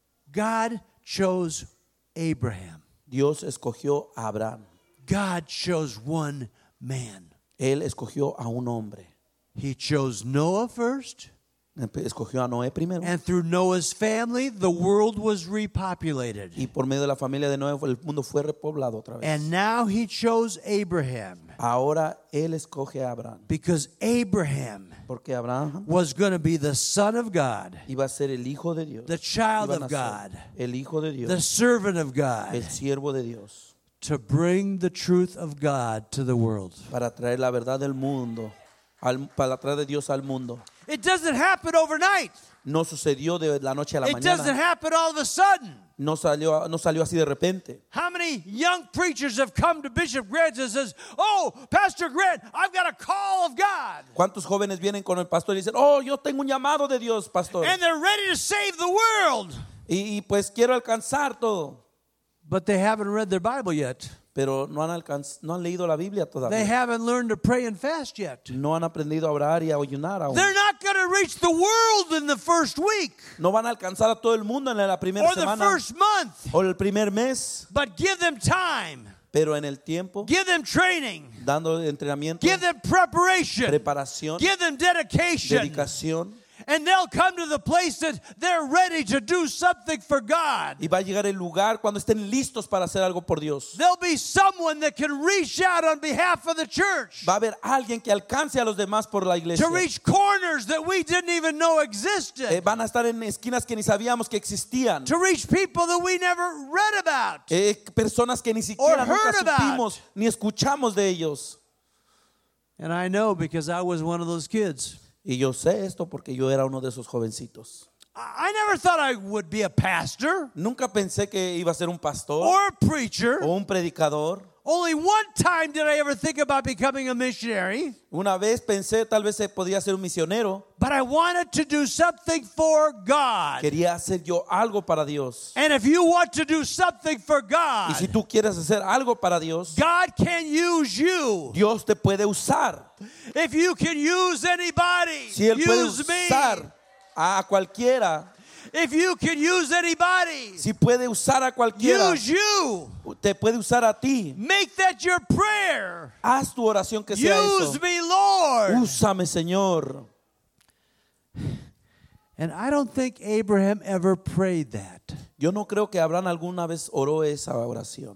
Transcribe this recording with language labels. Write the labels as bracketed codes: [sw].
[en] God chose Abraham. [es] Dios escogió a Abraham. [en] God chose one man. [es] Él escogió a un hombre. [en] He chose Noah first. [es] Escogió a Noé primero. [en] And through Noah's family, the world was repopulated. [es] Y por medio de la familia de Noé, el mundo fue repoblado otra vez. [en] And now he chose Abraham. [es] Ahora él escoge a Abraham. [en] Because Abraham, [es] porque Abraham [en] was going to be the son of God. [es] Iba a ser el hijo de Dios. [en] The child of God. [es] El hijo de Dios. [en] The servant of God. [es] El siervo de Dios. [en] to bring the truth of God to the world. [es] Para traer la verdad del mundo, para traer de Dios al mundo. [en] It doesn't happen overnight. [es] No sucedió de la noche a la [en] it [es] mañana. [en] It doesn't happen all of a sudden. [es] No salió así de repente. [en] How many young preachers have come to Bishop Grant and says, "Oh, Pastor Grant, I've got a call of God." [es] ¿Cuántos jóvenes vienen con el pastor y dicen, "Oh, yo tengo un llamado de Dios, pastor"? [en] And they're ready to save the world. [es] Y pues quiero alcanzar todo. [en] But they haven't read their Bible yet. [es] Pero no han leído la Biblia todavía. [en] They haven't learned to pray and fast yet. [es] No han aprendido a orar y a ayunar aún. [en] They're not going to reach the world in the first week. [es] No van a alcanzar a todo el mundo en la primera semana. [en] Or the first month. [es] O el primer mes. [en] But give them time. [es] Pero en el tiempo. [en] Give them training. [es] Dando entrenamiento. [en] Give them preparation. [es] Preparación. [en] Give them dedication. [es] Dedicación. [en] And they'll come to the place that they're ready to do something for God. [es] Y va a llegar el lugar cuando estén listos para hacer algo por Dios. [en] There'll be someone that can reach out on behalf of the church. [es] Va a haber alguien que alcance a los demás por la iglesia. [en] To reach corners that we didn't even know existed. [es] Van a estar en esquinas que ni sabíamos que existían. [en] To reach people that we never read about. [es] Personas que ni siquiera nunca supimos ni escuchamos de ellos. [en] And I know because I was one of those kids. [es] Y yo sé esto porque yo era uno de esos jovencitos. [en] I never thought I would be a pastor. [es] Nunca pensé que iba a ser un pastor. [en] Or a preacher. [es] O un predicador. [en] Only one time did I ever think about becoming a missionary. [es] Una vez pensé tal vez se podía ser un misionero. [en] But I wanted to do something for God. [es] Quería hacer yo algo para Dios. [en] And if you want to do something for God. [es] Y si tú quieres hacer algo para Dios. [en] God can use you. [es] Dios te puede usar. [en] If you can use anybody, [es] si él [en] use [es] puede usar [en] me. [es] A cualquiera. [en] If you can use anybody, [es] si puede usar a cualquiera, [en] use you. [es] Te puede usar a ti. [en] Make that your prayer. [es] Haz tu oración que sea [en] use [es] eso. [en] Me, Lord. [es] Úsame, Señor. [en] And I don't think Abraham ever prayed that. [es] Yo no creo que Abraham alguna vez oró esa oración.